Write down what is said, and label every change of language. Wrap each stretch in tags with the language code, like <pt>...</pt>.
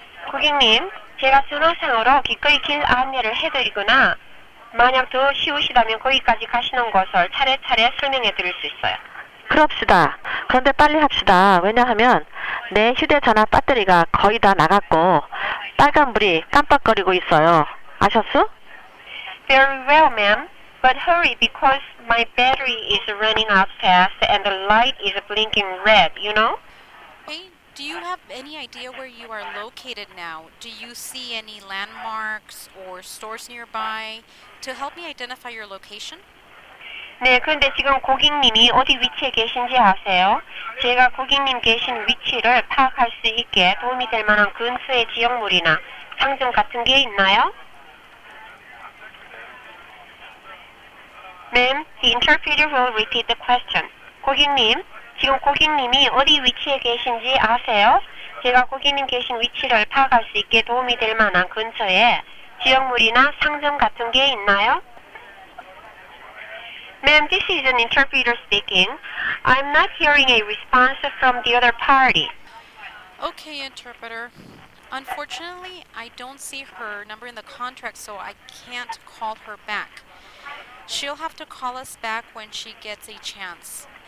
<ko>고객님, 제가 전화상으로 기꺼이 길 안내를 해드리거나 만약 더 쉬우시다면 거기까지 가시는 것을 차례차례 설명해 드릴 수 있어요. 그럽시다. 그런데 빨리 합시다. 왜냐하면 내 휴대전화 배터리가 거의 다 나갔고 빨간불이 깜빡거리고 있어요. 아셨어?</ko> <en>Very well, ma'am. But hurry because my battery is running out fast and the light is blinking red, you know? Hey, do you have any idea where you are located now? Do you see any landmarks or stores nearby to help me identify your location?</en> <ko>네, 그런데 지금 고객님이 어디 위치에 계신지 아세요? 제가 고객님 계신 위치를 파악할 수 있게 도움이 될 만한 근처의 지역물이나 상점 같은 게 있나요?</ko> <en>Ma'am, the interpreter will repeat the question.</en> <ko>고객님, 지금 고객님이 어디 위치에 계신지 아세요? 제가 고객님 계신 위치를 파악할 수 있게 도움이 될 만한 근처에 지역물이나 상점 같은 게 있나요?</ko> <en>Ma'am, this is an interpreter speaking. I'm not hearing a response from the other party. Okay, interpreter. Unfortunately, I don't see her number in the contract, so I can't call her back. She'll have to call us back when she gets a chance.</en>